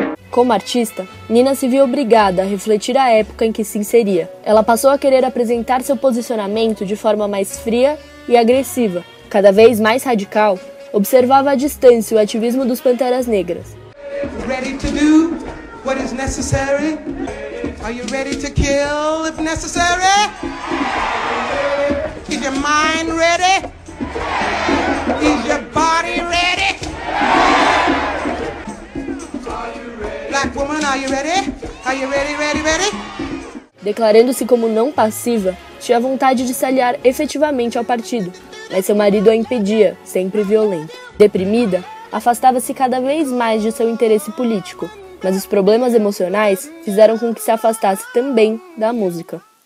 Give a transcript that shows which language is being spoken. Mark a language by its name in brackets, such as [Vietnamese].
[Portuguese] Como artista, Nina se viu obrigada a refletir a época em que se inseria. Ela passou a querer apresentar seu posicionamento de forma mais fria e agressiva. Cada vez mais radical, observava à distância o ativismo dos Panteras Negras. [English] Ready to do what is necessary? Are you ready to kill if necessary? Is your mind ready? Is your body ready? Black woman, are you ready? Are you ready, ready, ready? [Portuguese] Declarando-se como não passiva, tinha vontade de se aliar efetivamente ao partido, mas seu marido a impedia, sempre violento. Deprimida, afastava-se cada vez mais de seu interesse político, mas os problemas emocionais fizeram com que se afastasse também da música.